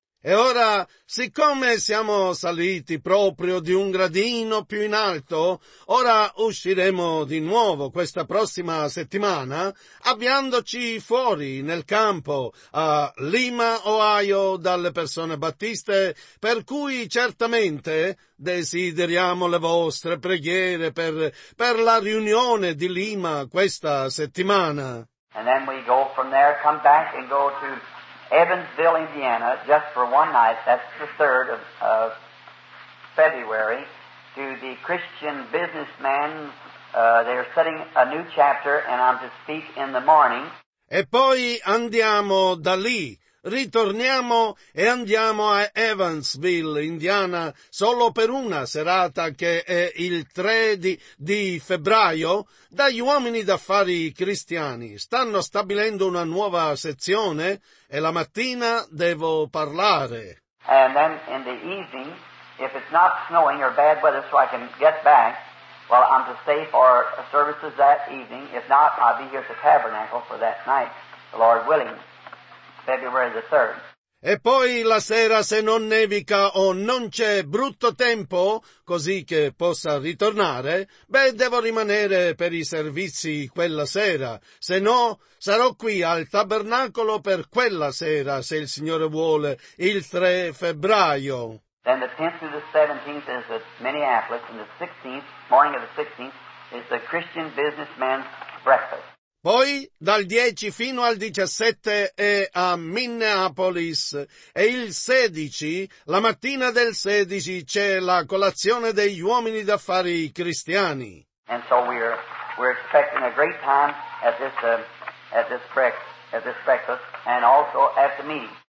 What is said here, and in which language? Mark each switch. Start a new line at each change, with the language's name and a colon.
Italian: E ora, siccome siamo saliti proprio di un gradino più in alto, ora usciremo di nuovo questa prossima settimana, avviandoci fuori nel campo a Lima, Ohio, dalle persone battiste, per cui certamente desideriamo le vostre preghiere per la riunione di Lima questa settimana.
English: And then we go from there, come back and go to Evansville, Indiana, just for one night, that's the 3rd of February, to the Christian businessmen. They're setting a new chapter, and I'm to speak in the morning.
Italian: E poi andiamo da lì. Ritorniamo e andiamo a Evansville, Indiana, solo per una serata che è il 3 di febbraio, dagli uomini d'affari cristiani. Stanno stabilendo una nuova sezione e la mattina devo parlare.
English: And then in the evening, if it's not snowing or bad weather so I can get back, well, I'm to stay for services that evening. If not, I'll be here at the tabernacle for that night, the Lord willing. February the 3rd.
Italian: E poi la sera se non nevica o non c'è brutto tempo, così che possa ritornare, beh, devo rimanere per i servizi quella sera. Se no, sarò qui al tabernacolo per quella sera, se il Signore vuole, il 3 febbraio.
English: Then the 10th through the 17th is at Minneapolis, and the 16th, morning of the 16th, is the Christian businessman's breakfast.
Italian: Poi, dal 10 fino al 17 è a Minneapolis, e il 16, la mattina del 16, c'è la colazione degli uomini d'affari cristiani.
English: And so we're expecting a great time at this breakfast, and also at the meeting.